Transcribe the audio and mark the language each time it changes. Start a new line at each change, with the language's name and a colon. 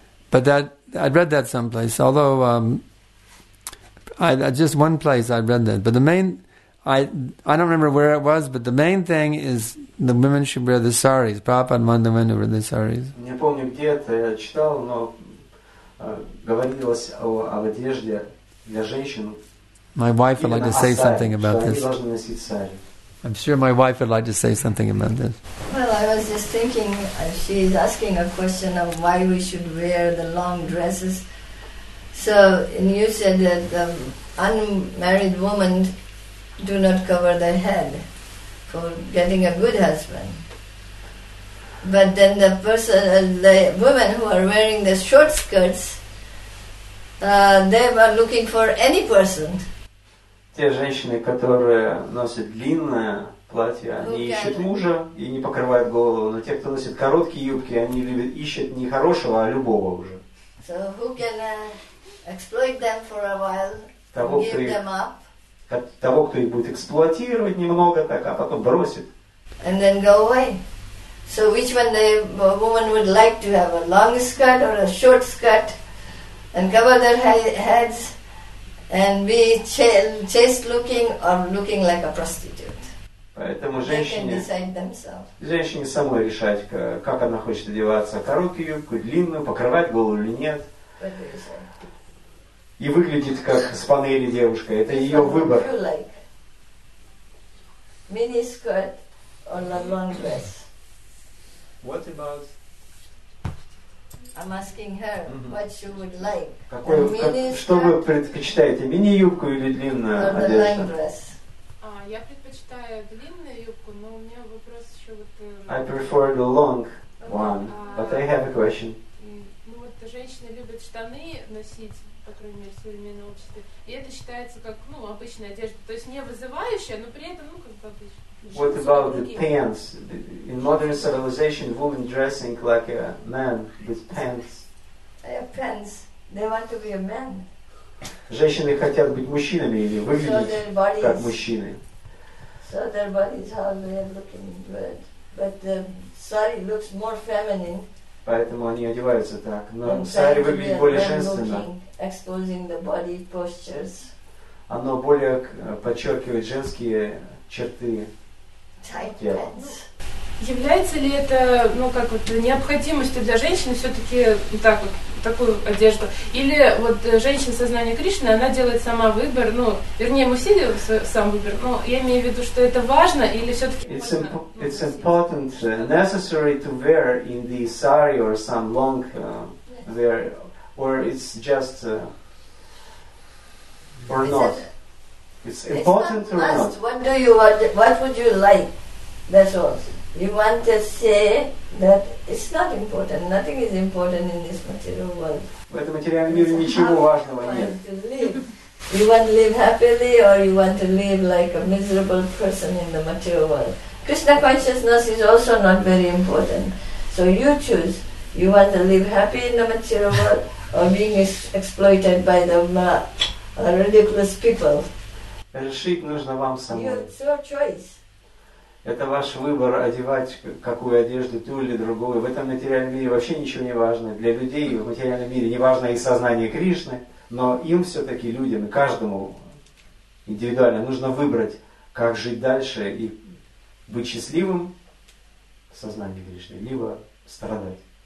English: But that, I'd read that someplace, although I read that. But the main... I don't remember where it was, but the main thing is the women should wear the saris. Prabhupada and the women wear the saris.
Russian: Не помню где это я читал, но говорилось о одежде для женщин.
English: My wife would like to say something about this. I'm sure my wife would like to say something about this. Well, I was just thinking, she is asking a question of why we should wear the long dresses. So, and you said that the unmarried woman do not cover their head for getting a good husband. But then the person, the women who are wearing the short skirts, they are looking for any person.
Russian: Те женщины, которые носят длинное платье, они ищут мужа и не покрывают голову. Но те, кто носит короткие юбки, они ищут не хорошего, а любого уже.
English: So who can exploit them for a while, give them up?
Russian: Того, кто их будет эксплуатировать немного так, а потом бросит.
English: And then go away. So which one the woman would like to have, a long skirt or a short skirt, and cover their heads, and be chaste looking or looking like a prostitute?
Russian: Поэтому женщине,
English: they can decide themselves.
Russian: Женщине самой решать, как она хочет одеваться, короткую юбку, длинную, покрывать голову или нет. И выглядит как с панели девушка. Это ее
English: so
Russian: выбор.
English: You like? Mini skirt or a long dress? What about? I'm asking her what she would like.
Russian: Какой, как, что вы предпочитаете, мини-юбку или длинную одежду?
English: Long dress.
Russian: Я предпочитаю длинную юбку, но у меня вопрос еще вот.
English: I prefer the long one, but I have a question.
Russian: Ну вот женщины любят штаны носить. По крайней мере, в современном обществе. И это считается как, ну, обычная одежда. То есть не вызывающая, но при этом, ну, как бы обычная.
English: What about the pants? In modern civilization, women dressing like a man with pants. They have pants. They want to be a man.
Russian: Женщины хотят быть мужчинами или выглядеть как мужчины.
English: So their bodies, how they are looking. But the sari looks more feminine
Russian: Поэтому они одеваются так. Но сари выглядит более женственно.
English: Exposing the body postures.
Russian: Оно более подчеркивает женские черты.
English: Tight pants.
Russian: Является ли это, ну, как вот, необходимостью для женщины все-таки так вот, такую одежду? Или вот женщина сознания Кришны, она делает сама выбор, ну, вернее, мы все делаем сам выбор, но я имею в виду, что это важно или все-таки
English: it's
Russian: можно...
English: It's important, necessary to wear in the sari or some long wear, or it's just, or it's not. It's important it's not or must. What do you want, what would you like? That's all. You want to say that it's not important. Nothing is important in this material world.
Russian: В этом материальном мире ничего важного нет.
English: You want to live happily or you want to live like a miserable person in the material world. Krishna consciousness is also not very important. So you choose. You want to live happy in the material world or being exploited by the ridiculous people.
Russian: Решить нужно вам самому.
English: It's your choice.
Russian: Это ваш выбор одевать какую одежду, ту или другую. В этом материальном мире вообще ничего не важно. Для людей в материальном мире не важно и сознание Кришны, но им все-таки, людям, каждому индивидуально нужно выбрать, как жить дальше и быть счастливым в сознании Кришны, либо страдать.